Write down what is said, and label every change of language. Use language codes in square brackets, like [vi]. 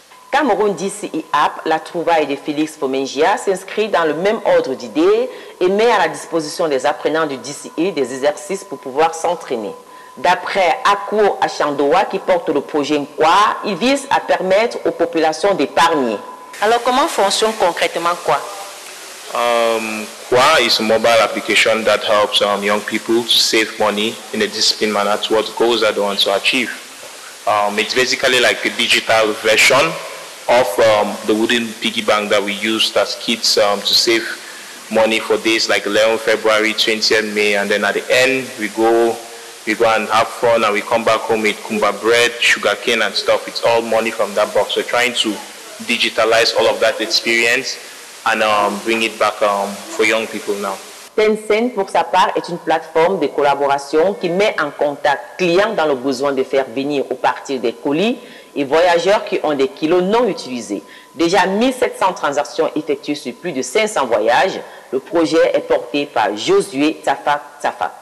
[fr] Cameroun DCI App, la trouvaille de Félix Fomengia, s'inscrit dans le même ordre d'idées et met à la disposition des apprenants du DCI des exercices pour pouvoir s'entraîner. D'après Akuo Achandoa, qui porte le projet Nkwa, il vise à permettre aux populations d'épargner. Alors comment fonctionne concrètement Nkwa? [en] Kwa is a mobile application that helps young people to save money in a disciplined manner towards goals that they want to achieve. It's basically like a digital version of the wooden piggy bank that we used as kids to save money for days like 11 February, 20th May, and then at the end we go and have fun and we come back home with kumba bread, sugar cane and stuff. It's all money from that box. We're trying to digitalize all of that experience and bring it back for young people now. [fr] Tencent, pour sa part, est une plateforme de collaboration qui met en contact clients dans le besoin de faire venir ou partir des colis et voyageurs qui ont des kilos non utilisés. Déjà 1700 transactions effectuées sur plus de 500 voyages. Le projet est porté par Josué Tafak.